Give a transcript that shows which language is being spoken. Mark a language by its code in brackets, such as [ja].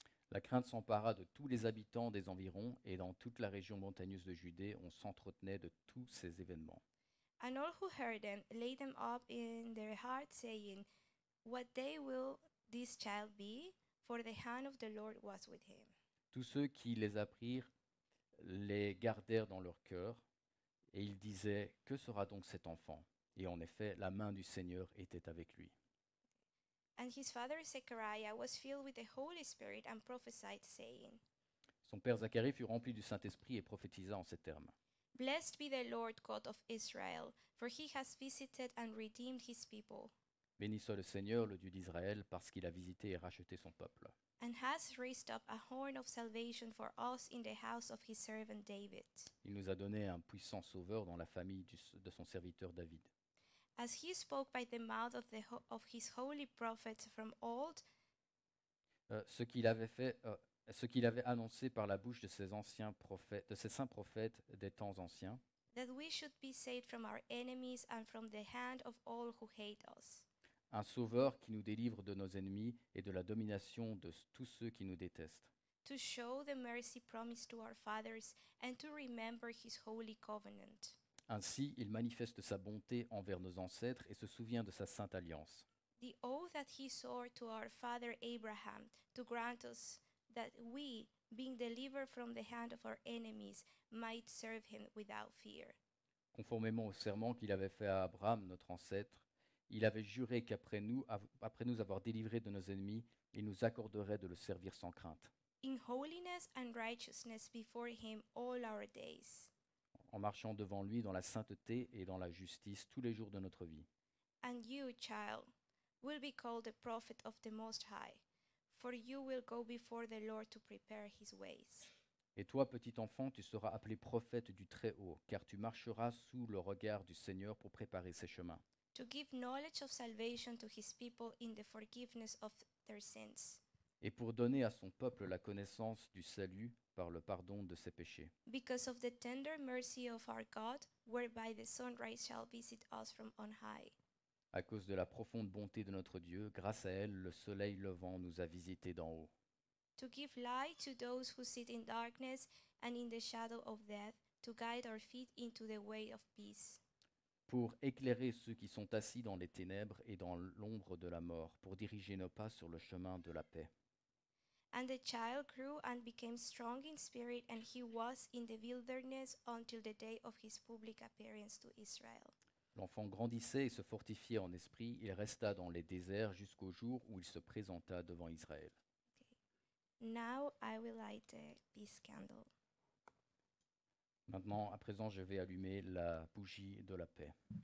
[fr] La crainte s'empara de tous les habitants des environs et dans toute la région montagneuse de Judée, on s'entretenait de tous ces événements. [en] And all who heard them laid them up in their hearts, saying, "What day will this child be?" For the hand of the Lord was with him. [fr] Tous ceux qui les apprirent les gardèrent dans leur cœur et ils disaient, "Que sera donc cet enfant?" Et en effet, la main du Seigneur était avec lui. [en] And his father Zechariah was filled with the Holy Spirit and prophesied, saying, [fr] Son père Zacharie fut rempli du Saint-Esprit et prophétisa en ces termes. [en] Blessed be the Lord God of Israel, for he has visited and redeemed his people. [fr] Béni soit le Seigneur, le Dieu d'Israël, parce qu'il a visité et racheté son peuple. [en] And has raised up a horn of salvation for us in the house of his servant David. [fr] Il nous a donné un puissant sauveur dans la famille de son serviteur David. [en] As he spoke by the mouth of the of his holy prophets from old, [fr] ce qu'il avait annoncé par la bouche de ses anciens prophètes, de ses saints prophètes des temps anciens, [en] that we should be saved from our enemies and from the hand of all who hate us. [fr] Un sauveur qui nous délivre de nos ennemis et de la domination de tous ceux qui nous détestent. [en] To show the mercy promised to our fathers and to remember his holy covenant. [fr] Ainsi, il manifeste sa bonté envers nos ancêtres et se souvient de sa sainte alliance. [en] The oath that he swore to our father Abraham to grant us that we, being delivered from the hand of our enemies, might serve him without fear. [fr] Conformément au serment qu'il avait fait à Abraham, notre ancêtre, il avait juré qu'après nous, après nous avoir délivrés de nos ennemis, il nous accorderait de le servir sans crainte. [en] In holiness and righteousness before him all our days. [fr] En marchant devant lui dans la sainteté et dans la justice tous les jours de notre vie. [en] And you, child, will be called the prophet of the Most High, for you will go before the Lord to prepare his ways. [fr] Et toi, petit enfant, tu seras appelé prophète du Très-Haut, car tu marcheras sous le regard du Seigneur pour préparer ses chemins. [en] To give knowledge of salvation to his people in the forgiveness of their sins. [fr] Et pour donner à son peuple la connaissance du salut par le pardon de ses péchés. [en] Because of the tender mercy of our God, whereby the sunrise shall visit us from on high. [fr] À cause de la profonde bonté de notre Dieu, grâce à elle, le soleil levant nous a visités d'en haut. [en] To give light to those who sit in darkness and in the shadow of death, to guide our feet into the way of peace. [fr] Pour éclairer ceux qui sont assis dans les ténèbres et dans l'ombre de la mort, pour diriger nos pas sur le chemin de la paix. [en] And the child grew and became strong in spirit, and he was in the wilderness until the day of his public appearance to Israel. [fr] L'enfant grandissait et se fortifiait en esprit. Il resta dans les déserts jusqu'au jour où il se présenta devant Israël. [en] Okay. Now I will light the peace candle. [fr] Maintenant, à présent, je vais allumer la bougie de la paix.